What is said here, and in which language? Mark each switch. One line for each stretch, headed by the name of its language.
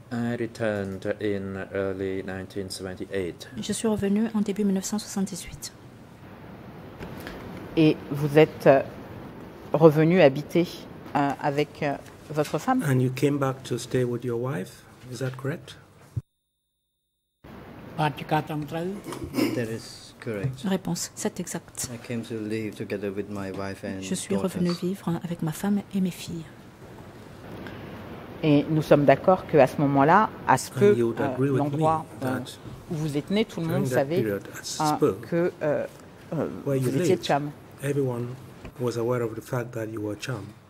English: I returned in early 1978.
French: Je suis revenu en début 1978. Et vous êtes revenu habiter avec votre femme?
English: And you came back to stay with your wife? Is that correct? That is correct.
French: Réponse, c'est exact.
English: I came to live together with my wife and
French: je suis
English: daughters.
French: Revenu vivre avec ma femme et mes filles. Et nous sommes d'accord qu'à ce moment-là, à ce que l'endroit où vous êtes né, tout le monde savait que vous étiez Cham.
English: Everyone was aware of the fact that you were Cham.